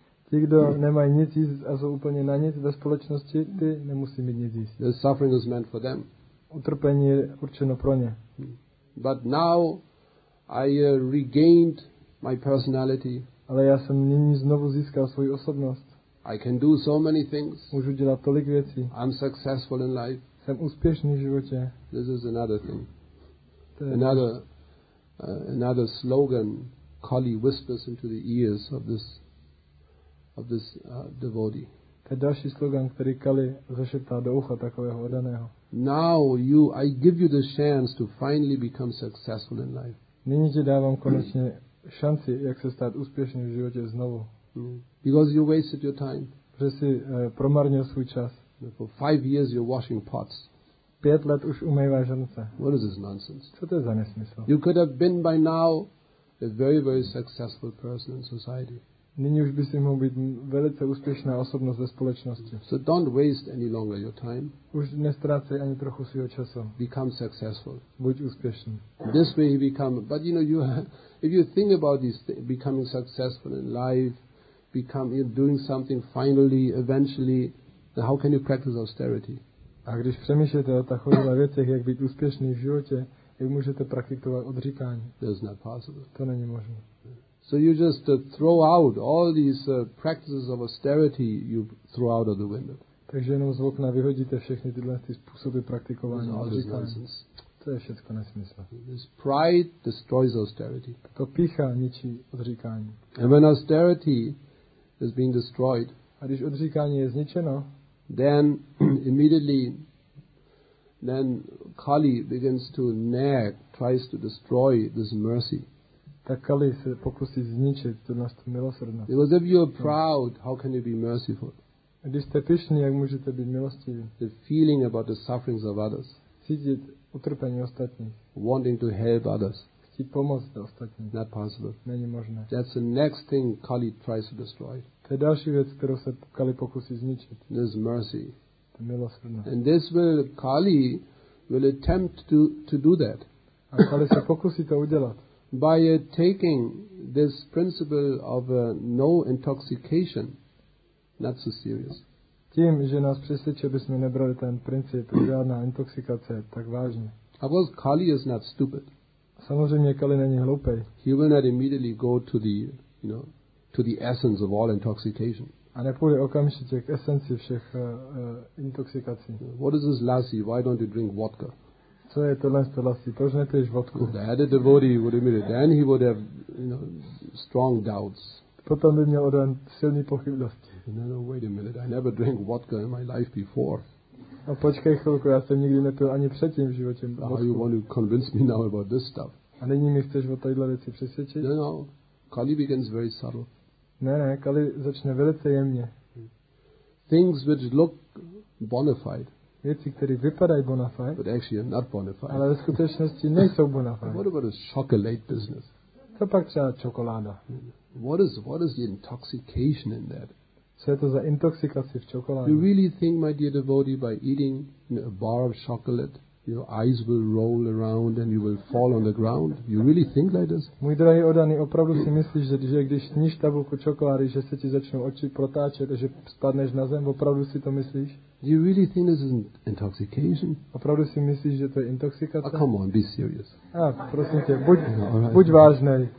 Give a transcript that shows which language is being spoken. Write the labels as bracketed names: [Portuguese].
[Czech] Ti, kdo nemají nic jíst a jsou úplně na nic ve společnosti, ty nemusí mít nic jíst. [English] The suffering is meant for them. [Czech] Utrpení je určeno pro ně. [English] But now I regained my personality. [Czech] Ale já jsem nyní znovu získal svou osobnost. [English] I can do so many things. [Czech] Můžu dělat tolik věcí. [English] I'm successful in life. [Czech] Jsem úspěšný v životě. [English] This is another thing. Another slogan Kali whispers into the ears of this devotee. [Czech] To je další slogan, který Kali zašeptá do ucha takového odaného. [English] Now you, I give you the chance to finally become successful in life. [Czech] Nyní ti dávám konečně šanci, jak se stát úspěšným v životě znovu. [English] Because you wasted your time. [Czech] Protože jsi promarnil svůj čas. [English] For 5 years you're washing pots. [Czech] 5 let už umýváš ruce. [English] What is this nonsense? [Czech] Co to je za nesmysl? [English] You could have been by now a very, very successful person in society. [Czech] Nyní už bys mohl být velice úspěšná osobnost ve společnosti. [English] So don't waste any longer your time. [Czech] Už nestrácej ani trochu svého času. [English] Become successful. [Czech] Buď úspěšný. [English] This way he become. But you know, you if you think about this, becoming successful in life, become doing something finally, eventually, then how can you practice austerity? [Czech] A když přemýšlíte o takových věcech, jak být úspěšný v životě, jak můžete praktikovat odříkání? [English] That's not possible. [Czech] To není možné. [English] So you just throw out all these practices of austerity you throw out of the window. [Czech] Takže jenom z okna vyhodíte všechny tyhle ty způsoby praktikování odříkání. To je všechno nesmysl. [English] This pride destroys austerity. [Czech] To pícha ničí odříkání. [English] And when austerity is being destroyed, [Czech] a když odříkání je zničeno, [English] then immediately then Kali begins to nag, tries to destroy this mercy. [Czech] Tak Kali se pokusí zničit tu naši milosrdnost. [English] Because if you are proud, how can you be merciful? [Czech] A když jste pyšný, jak můžete být milostivý? [English] The feeling about the sufferings of others. [Czech] Cítit utrpení ostatních. [English] Wanting to help others. [Czech] Chtít pomoct ostatním. [English] Not possible. [Czech] Není možné. [English] That's the next thing Kali tries to destroy. [Czech] To je další věc, kterou se Kali pokusí zničit. [English] This mercy. [Czech] To milosrdnost. [English] And this will Kali will attempt to do that. [Czech] A Kali se pokusí to udělat. [English] By taking this principle of no intoxication, not so serious. [Czech] tím, že nás přesvědčí, aby jsme nebrali ten princip, žádná intoxikace, tak vážně. [English] Of course, Kali is not stupid. [Czech] Samozřejmě Kali není hloupej. [English] He will not immediately go to the, you know, to the essence of all intoxication. [Czech] A nepůjde okamžitě k esenci všech intoxikací. [English] What is this lassi? Why don't you drink vodka? [Czech] Co je tohle z toho lassi? Proč nepiješ vodku? [English] If they had a devotee, would immediately, then he would have, you know, strong doubts. [Czech] Potom by měl odan silný pochybnosti. [English] No, no, wait a minute, I never drank vodka in my life before. [Czech] A počkej chvilku, já jsem nikdy nepil ani předtím v životě vodku. [English] How you want to convince me now about this stuff? [Czech] A nyní mi chceš o tadyhle věci přesvědčit? [English] No, no, Kali begins very subtle. [Czech] Ne, ne, Kali začne velice jemně. [English] Things which look bona fide. [Czech] Věci, které vypadají bona fide. [English] But actually are not bona fide. [Czech] Ale ve skutečnosti nejsou bona fide. [English] What about a chocolate business? [Czech] Co pak třeba čokoláda? [English] What is the intoxication in that? [Czech] Co je to za intoxikaci v čokoládě? [English] You really think, my dear devotee, by eating a bar of chocolate, your eyes will roll around and you will fall on the ground? You really think like this? [Czech] Můj drahý odaný, opravdu si myslíš, že když sníš tabulku čokolády, že se ti začnou oči protáčet a že spadneš na zem? Opravdu si to myslíš? [English] You really think this is intoxication? [Czech] Opravdu si myslíš, že to je intoxikace? [English] Oh, come on, be serious. [Czech] Ah, prosím tě, buď vážnej.